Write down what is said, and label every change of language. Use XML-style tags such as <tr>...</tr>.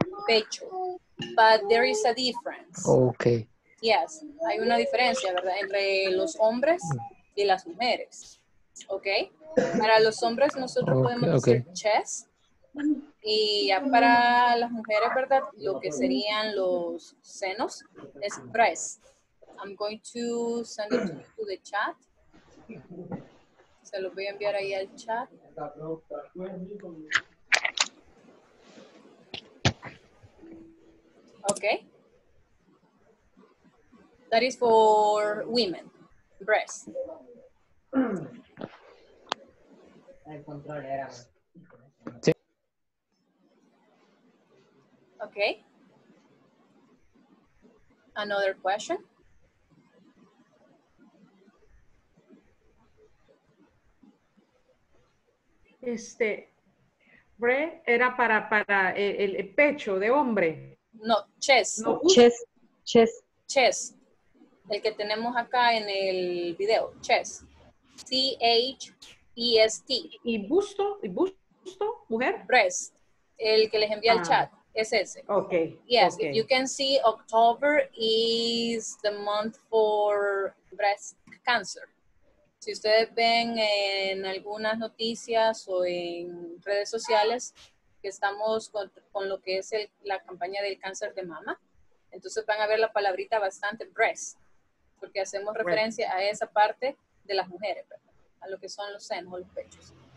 <en>Pecho. But there is a difference. Okay.</en> <es>Yes. Hay una diferencia, ¿verdad? Entre los hombres y las mujeres, ¿ok? Para los hombres nosotros podemos decir chest, y ya para las mujeres, ¿verdad? Lo que serían los senos es breast.</es> <en>I'm going to send it to the chat.</en> <es>Se los voy a enviar ahí al chat. ¿Ok?</es> <en>That is for women, breast.</en> <es>Al contrario, era más.</es> <en>Okay. Another question.</en> <es>Este, bre era para el pecho de hombre.</es> <en>No, chest. No, chest, chest. Chest.</en> <es>El que tenemos acá en el video, chest.</es> <en>C-H-E-S-T.</en> <es>¿Y busto? ¿Y busto? ¿Mujer? Breast. El que les envía el chat. Es ese.</es> <en>Ok. Yes, okay. If you can see, October is the month for breast cancer.</en> <es>Si ustedes ven en algunas noticias o en redes sociales que estamos con lo que es la campaña del cáncer de mama, entonces van a ver la palabrita bastante breast, porque hacemos referencia a esa parte de las mujeres, a lo que son los senos o los pechos.</es>